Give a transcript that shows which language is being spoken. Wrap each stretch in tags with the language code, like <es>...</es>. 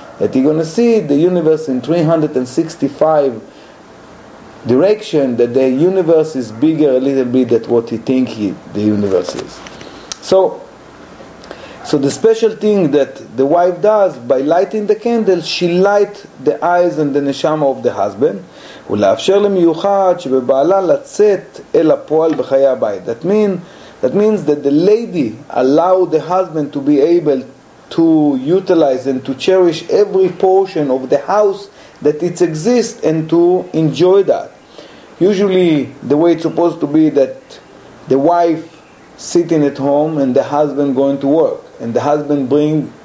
<en>That you're going to see the universe in 365 direction, that the universe is bigger a little bit than what you think the universe is. So, So the special thing that the wife does by lighting the candle, she light the eyes and the neshama of the husband.</en> <he>ולאפשר למיוחד שבבעלה לצאת אל הפועל בחיי הבית.</he> <en>That means that the lady allow the husband to be able to utilize and to cherish every portion of the house that it exists and to enjoy that. Usually the way it's supposed to be that the wife sitting at home and the husband going to work, and the husband bring</en>